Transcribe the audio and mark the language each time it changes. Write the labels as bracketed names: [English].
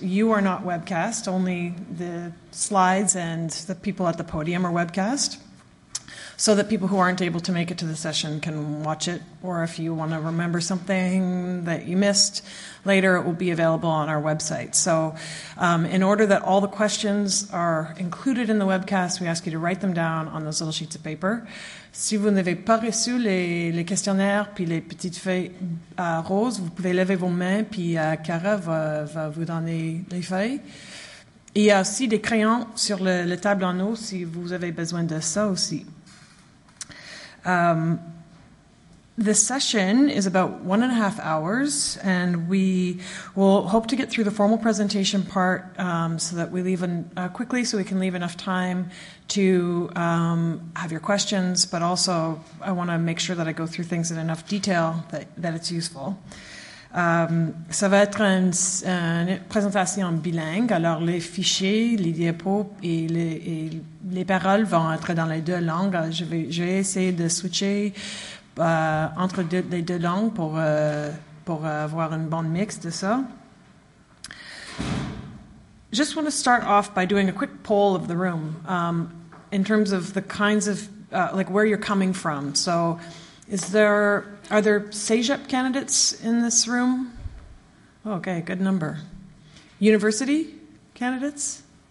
[English] You are not webcast, only the slides and the people at the podium are webcast, so that people who aren't able to make it to the session can watch it, or if you want to remember something that you missed later, it will be available on our website. So in order that all the questions are included in the webcast, we ask you to write them down on those little sheets of paper. [French] Si vous n'avez pas reçu les questionnaires puis les petites feuilles roses, vous pouvez lever vos mains puis Cara va vous donner les feuilles. Il y a aussi des crayons sur le table en haut si vous avez besoin de ça aussi. [English] The session is about 1.5 hours, and we will hope to get through the formal presentation part so that we leave quickly so we can leave enough time to have your questions, but also I want to make sure that I go through things in enough detail that it's useful. [French] Ça va être une présentation bilingue, alors les fichiers, les diapos et les paroles vont être dans les deux langues. Je vais essayer de switcher entre les deux langues pour avoir une bonne mix de ça. [English] Just want to start off by doing a quick poll of the room in terms of the kinds of, like where you're coming from. So are there CEGEP candidates in this room? Okay, good number. University candidates?